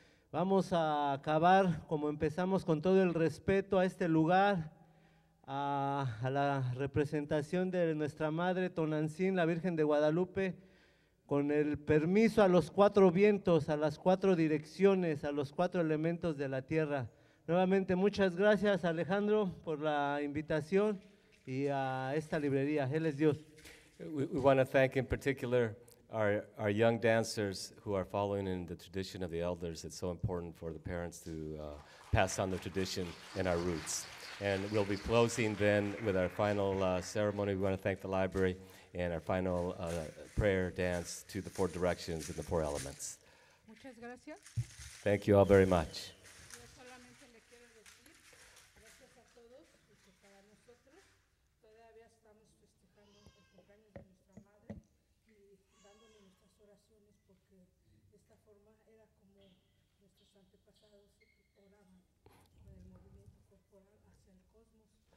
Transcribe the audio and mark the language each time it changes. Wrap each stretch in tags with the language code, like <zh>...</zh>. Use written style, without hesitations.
<es>Vamos a acabar, como empezamos, con todo el respeto a este lugar, a la representación de nuestra madre Tonantzin, la Virgen de Guadalupe, con el permiso a los cuatro vientos, a las cuatro direcciones, a los cuatro elementos de la tierra. Nuevamente, muchas gracias, Alejandro, por la invitación y a esta librería. Él es Dios.</es> <en>We want to thank in particular our young dancers who are following in the tradition of the elders. It's so important for the parents to pass on the tradition and our roots. And we'll be closing then with our final ceremony. We want to thank the library and our final prayer dance to the four directions and the four elements.</en> <es>Muchas gracias.</es> <en>Thank you all very much.</en> <es>Yo solamente le quiero decir gracias a todos y que para nosotros todavía estamos festejando el cumpleaños de nuestra madre y dándole nuestras oraciones porque de esta forma era como nuestros antepasados oraban con el movimiento corporal hacia el cosmos.</es>